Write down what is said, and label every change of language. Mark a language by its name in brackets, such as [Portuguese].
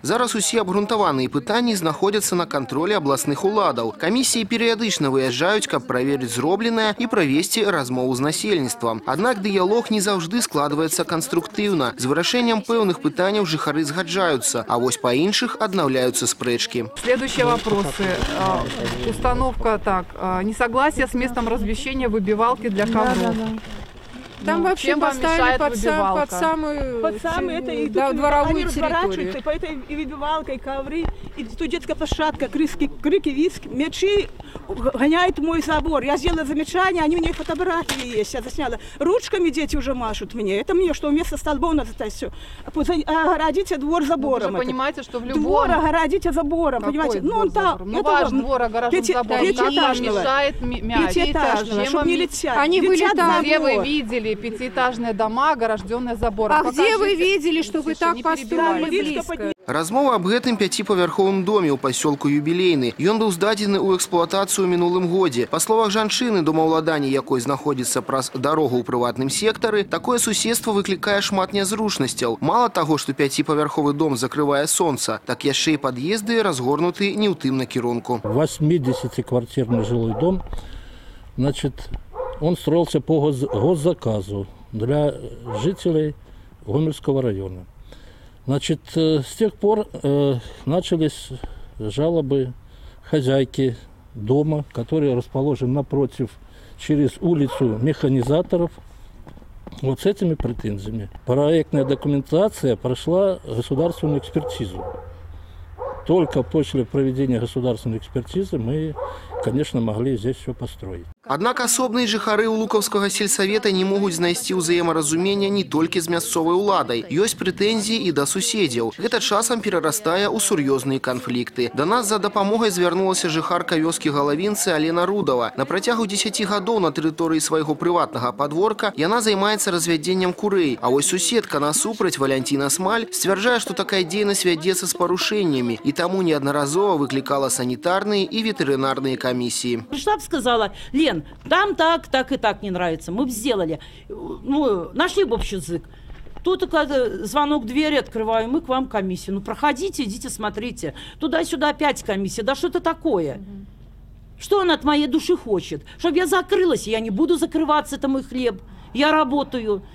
[Belarusian] Зараз усе абгрунтаваныя пытанні знаходзяцца на кантролі абласных уладаў. Камісіі перыядычна выязджаюць, каб праверыць зробленае і правесці размову з насельніцтвам. Аднак дыялог не заўжды складваецца канструктыўна. З вырашэннем пэўных пытанняў жыхары згаджаюцца, а вось па іншых аднаўляюцца спрэчкі. [Russian] Следующие вопросы. Установка так. Несогласие с местом размещения выбивалки для кого? Да, да, да. Там вообще поставили под, сам, под самую под сам это, и да, дворовую территорию. Они по этой и выбивалкой, и ковры, и студентская площадка, крики, виск, мячи гоняют мой забор. Я сделала замечание, они мне их фотографии есть, я засняла. Ручками дети уже машут мне. Это мне, что вместо столбов надо это все. Огородите двор забором. Вы же понимаете, что в любом... Двор огородите забором, какой понимаете? Ну, там, это ваш двор огорожен забором. Пятиэтажного. Пятиэтажного, чтобы не летят. Они вылетают. Где вы видели? Пятиэтажные дома, огорожденные заборы. А где вы видели, что вы так построили близко? [Belarusian] Размова об гэтым пяціпавярховым доме ў пасёлку Юбілейны. Ён быў здадзены ў эксплуатацыю мінулым годзе. Па словах жанчыны, домаўладанне якой знаходзіцца праз дарогу ў прыватным сектары, такое суседства выклікае шмат нязручнасцяў. Мала таго, што пяціпавярховы дом закрывае сонца, так яшчэ і пад'езды разгорнуты не ў тым накірунку. [Russian] 80-квартирны жылы дом, значит, он строился по госзаказу для жителей Гомельского района. Значит, с тех пор начались жалобы хозяйки дома, который расположен напротив, через улицу механизаторов, вот с этими претензиями. Проектная документация прошла государственную экспертизу. Только после проведения государственной экспертизы мы, конечно, могли здесь все построить. [Belarusian] Аднак асобныя жыхары ў Лукаўскага сельсавета не могуць знайсці ўзаемаразумення не толькі з мясцовай уладай. Ёсць прэтэнзіі і да суседзяў. Гэта часам перарастае ў сур'ёзныя канфлікты. Да нас за дапамогай звярнулася жыхарка вёскі Галавінцы Алена Рудава. На працягу 10 гадоў на тэрыторыі свайго прыватнага падворка яна займаецца развядзеннем курэй. А вось суседка насупраць Валянціна Смаль сцвярджае, што такая дзейнасць вядзецца з парушэннямі і таму неаднаразова выклікала санітарныя і ветэрынарныя камісіі. [Russian] Пришла б сказала: «Лен, там так, так и так не нравится. Мы бы сделали. Ну, нашли бы общий язык. Тут звонок двери открываю, мы к вам комиссию. Ну, проходите, идите, смотрите. Туда-сюда опять комиссия. Да что это такое? Что она от моей души хочет? Чтобы я закрылась, я не буду закрываться, это мой хлеб. Я работаю.